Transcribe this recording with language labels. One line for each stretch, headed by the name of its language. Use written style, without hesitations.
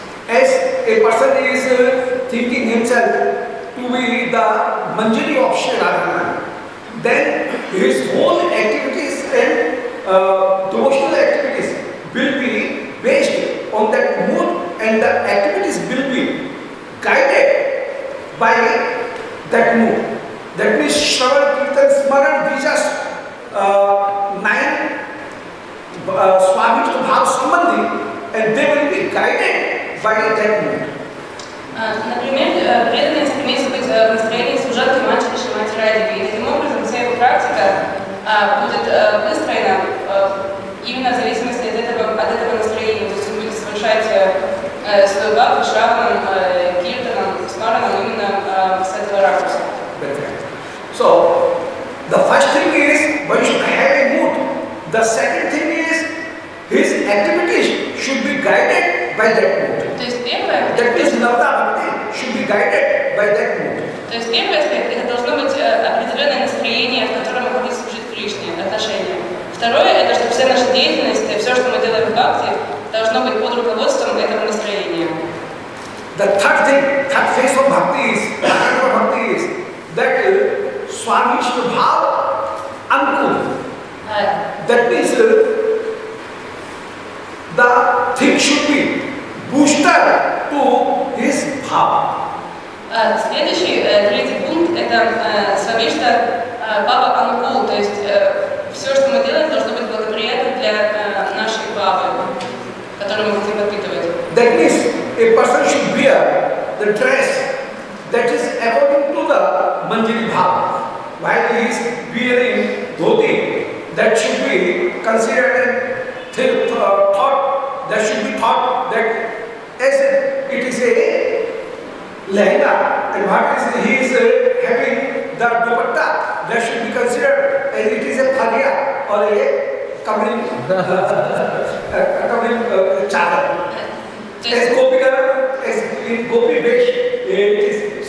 English: As a person is thinking himself to be the Manjari of Shri Radha, then his whole activities and devotional activities will be based on that mood and the activities will be guided by that mood. That means Shravan, Kirtan, Smaran, these are nine Swadhishta Bhava Sambandhi and they will be guided by that mood.
Russian: Например, преданный стремится быть в настроении служанки Матери Шри Мати Радхи. И таким образом вся его практика будет выстроена именно в зависимости от этого настроения. То есть он будет совершать свой бхав шраваном, киртаном, смараном именно с этого ракурса.
English: So, the first thing is, one should have a mood. The second thing is, his activities should be guided by that mood. That is Navada Bhakti should be guided by that mood.
Russian: То есть первый аспект это должно быть определенное настроение, в котором мы будем служить Кришне, отношения. Второе это что вся наша деятельность, все что мы делаем в бхакти, должно быть под руководством этого настроения.
English: The third phase of bhakti is, that Swadhishta Bhava Ankur. That means the thing should be booster to his bhava.
Russian: Следующий, третий пункт, это Свадхишта Бхава Анукул, то есть все, что мы делаем, должно быть благоприятно для нашей бхавы, которую мы хотим подпитывать.
English: That means a person should wear the dress that is according to the Manjari Bhava. While he is wearing dhoti, that should be considered and thought that as it is a lehenga, and what is he is having the dupatta, that should be considered as it is a thalia or a covering chadar. As gopi vesh It is.